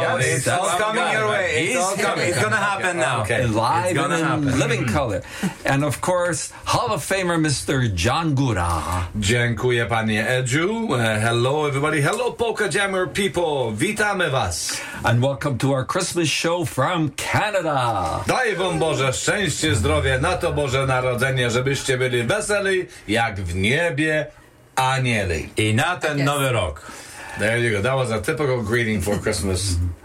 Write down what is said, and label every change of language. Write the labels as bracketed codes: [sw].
[en] it's all coming your way. It's going to happen now. Okay. Live it's gonna happen. Living color. And of course, Hall of Famer Mr. John Gura. [pl] Dziękuję, panie Edu. [en] Hello, everybody. Hello, Polka Jammer people. [pl] Witamy was. [en] And welcome to our Christmas show from Canada. [pl] Daj wam Boże szczęście, zdrowie, na to Boże Narodzenie, żebyście byli weseli jak w niebie anieli. I na ten nowy rok. [en] There you go. That was a typical greeting for Christmas.